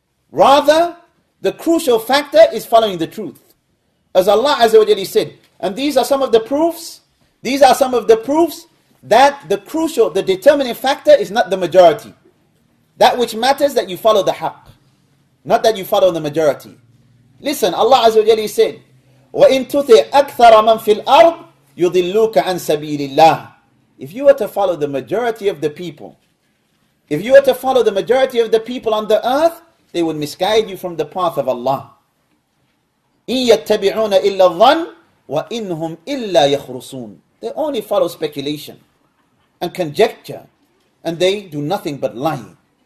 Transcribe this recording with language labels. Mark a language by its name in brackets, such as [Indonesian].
[English] Rather, the crucial factor is following the truth. As Allah Azza wa Jalla said, and these are some of the proofs, these are some of the proofs that the crucial, the determining factor is not the majority. That which matters that you follow the haqq, not that you follow the majority. Listen, Allah Azza wa Jalla said, [Arabic] وَإِن تُطِعْ أَكْثَرَ مَن فِي الْأَرْضِ يُضِلُّكَ عَن سَبِيلِ اللَّهِ. [English] If you were to follow the majority of the people, if you were to follow the majority of the people on the earth, they would misguide you from the path of Allah. [Arabic] إِن يَتَّبِعُونَ إِلَّا الظَّنَّ وَإِن هُمْ إِلَّا يَخْرُصُونَ. [English] They only follow speculation and conjecture, and they do nothing but lying.